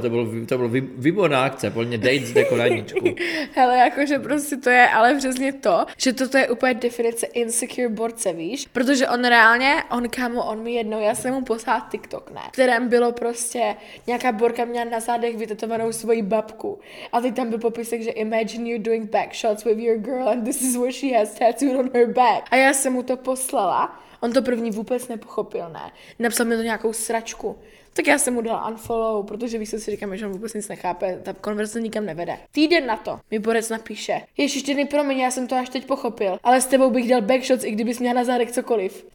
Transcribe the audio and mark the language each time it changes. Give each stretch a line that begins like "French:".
Czech: To bylo výborná akce, volně date z dekoraníčku. Hele, jakože prostě to je, ale přesně to, že toto je úplně definice insecure borce, víš? Protože on reálně, on kámo, on mi jednou, já jsem mu poslala TikTok, ne? V kterém bylo prostě, nějaká borka měla na zádech vytetovanou svoji babku. A teď tam byl popisek, že
English: imagine you doing back shots with your girl and this is what she has tattooed on her back.
Czech: A já jsem mu to poslala. On to první vůbec nepochopil, ne? Napsal mi to nějakou sračku. Tak já jsem mu dala unfollow, protože víš, co si říkám, že on vůbec nic nechápe, ta konverze nikam nevede. Týden na to mi borec napíše. Ježiš, ty promiň, já jsem to až teď pochopil, ale s tebou bych dal backshots, i kdybys měl na zádech cokoliv.